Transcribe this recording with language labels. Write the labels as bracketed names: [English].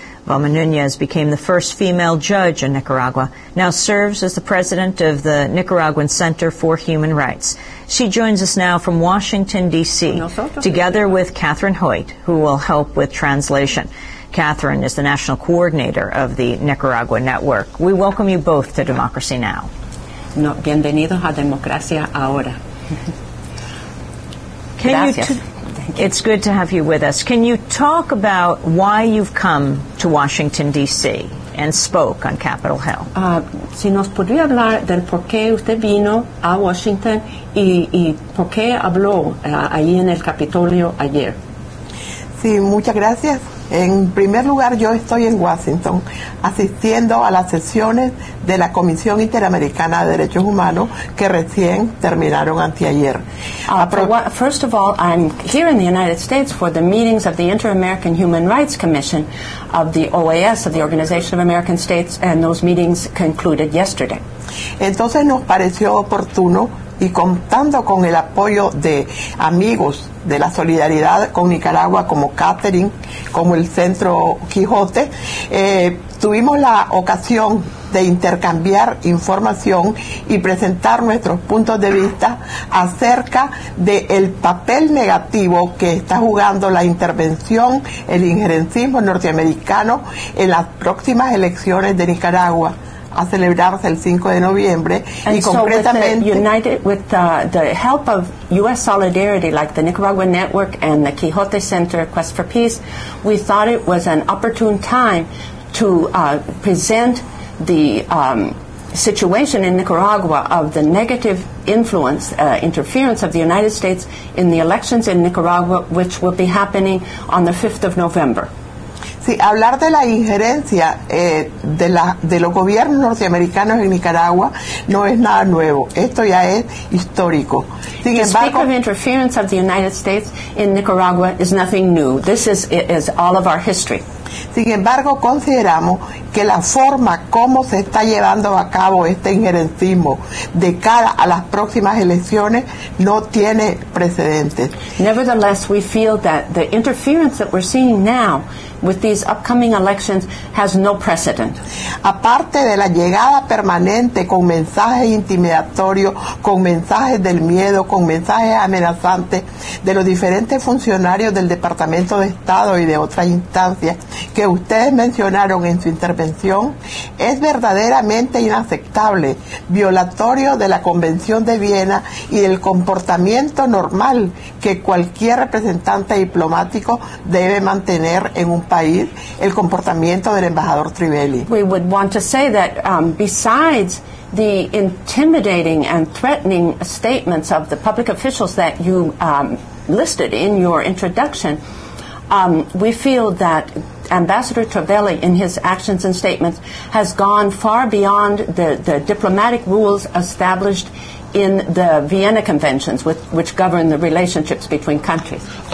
[English] Vilma Nunez became the first female judge in Nicaragua, now serves as the president of the Nicaraguan Center for Human Rights. She joins us now from Washington, D.C., together with Catherine Hoyt, who will help with translation. Catherine is the national coordinator of the Nicaragua Network. We welcome you both to Democracy Now! [Spanish] No, bienvenidos a Democracia Ahora. [English] It's good to have you with us. Can you talk about why you've come to Washington, D.C. and spoke on Capitol Hill? [Spanish] Si nos podría hablar del por qué usted vino a Washington y por qué habló ahí en el Capitolio ayer. Sí, muchas gracias. En primer lugar, yo estoy en Washington asistiendo a las sesiones de la Comisión Interamericana de Derechos Humanos que recién terminaron anteayer. [English] First of all, I'm here in the United States for the meetings of the Inter-American Human Rights Commission of the OAS, of the Organization of American States, and those meetings concluded yesterday. [Spanish] Entonces nos pareció oportuno y contando con el apoyo de amigos de la solidaridad con Nicaragua, como Catherine, como el Centro Quijote, tuvimos la ocasión de intercambiar información y presentar nuestros puntos de vista acerca del papel negativo que está jugando la intervención, el injerencismo norteamericano en las próximas elecciones de Nicaragua. A celebrarse el 5 de noviembre, [English] and [Spanish] y [English] so [Spanish] concretamente, [English] with the help of U.S. solidarity like the Nicaragua Network and the Quijote Center Quest for Peace, we thought it was an opportune time to present the situation in Nicaragua of the negative influence, interference of the United States in the elections in Nicaragua, which will be happening on the 5th of November. [Spanish] Sí, hablar de la injerencia de los gobiernos norteamericanos en Nicaragua no es nada nuevo. Esto ya es histórico. Sin embargo, [English] speak of interference of the United States in Nicaragua is nothing new. This is all of our history. [Spanish] Sin embargo, consideramos que la forma como se está llevando a cabo este injerencismo de cara a las próximas elecciones no tiene precedentes. [English] Nevertheless, we feel that the interference that we're seeing now with these upcoming elections has no precedent. [Spanish] Aparte de la llegada permanente con mensajes intimidatorios, con mensajes del miedo, con mensajes amenazantes de los diferentes funcionarios del Departamento de Estado y de otras instancias que ustedes mencionaron en su intervención, es verdaderamente inaceptable, violatorio de la Convención de Viena y del comportamiento normal que cualquier representante diplomático debe mantener en un país, el comportamiento del embajador Trivelli. [English] We would want to say that besides the intimidating and threatening statements of the public officials that you listed in your introduction, we feel that Ambassador Trivelli, in his actions and statements, has gone far beyond the diplomatic rules established in the Vienna Conventions, which govern the relationships between countries.